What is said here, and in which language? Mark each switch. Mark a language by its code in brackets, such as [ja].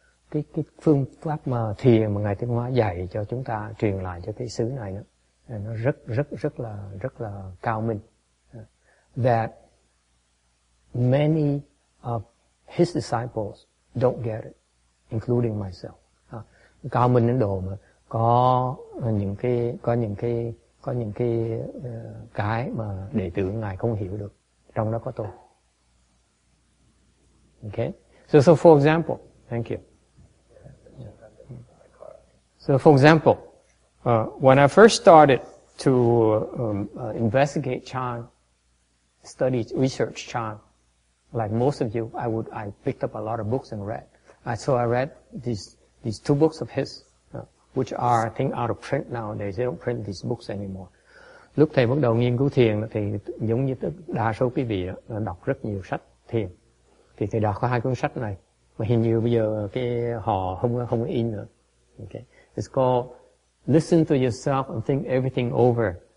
[vi] Cái phương pháp mà thiền mà ngài Tiên Hóa dạy cho chúng ta truyền lại cho cái xứ này đó, nó rất là cao minh. [en] That many of his disciples don't get it, including myself. [vi] Cao minh đến độ mà có những cái mà đệ tử ngài không hiểu được, trong đó có tôi. [en] Okay. So for example, thank you. So for example, when I first started to investigate Chan, study research Chan, like most of you, I picked up a lot of books and read. So I read these two books of his, which are, I think, out of print nowadays. They don't print these books anymore. [vi] Lúc thầy bắt đầu nghiên cứu thiền thì giống như đa số quý vị đó, đọc rất nhiều sách thiền. Thì thầy đọc có hai cuốn sách này. Mà hình như bây giờ cái họ không in nữa. [en] Okay. It's called Listen to Yourself and Think Everything Over.